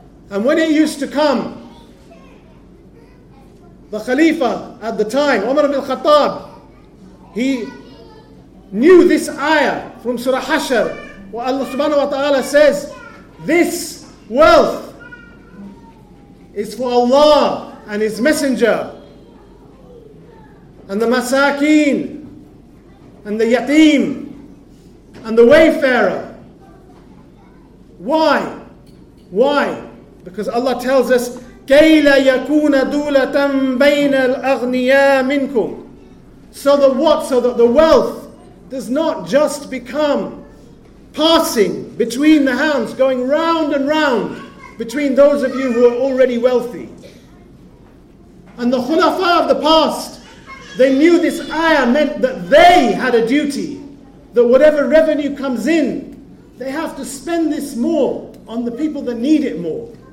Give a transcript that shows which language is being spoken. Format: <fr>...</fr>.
<en>And when it used to come, the Khalifa at the time, Umar ibn al-Khattab, he knew this ayah from Surah Hashr, where Allah subhanahu wa ta'ala says, this wealth is for Allah and His Messenger, and the masakeen, and the yateem, and the wayfarer. Why? Why? Because Allah tells us,</en> <ar>كَيْلَ يَكُونَ دُولَةً بَيْنَ الْأَغْنِيَاءَ مِنْكُمْ.</ar> <en>So that what? So that the wealth does not just become passing between the hands, going round and round between those of you who are already wealthy. And the khulafa of the past, they knew this ayah meant that they had a duty, that whatever revenue comes in, they have to spend this more on the people that need it more.</en>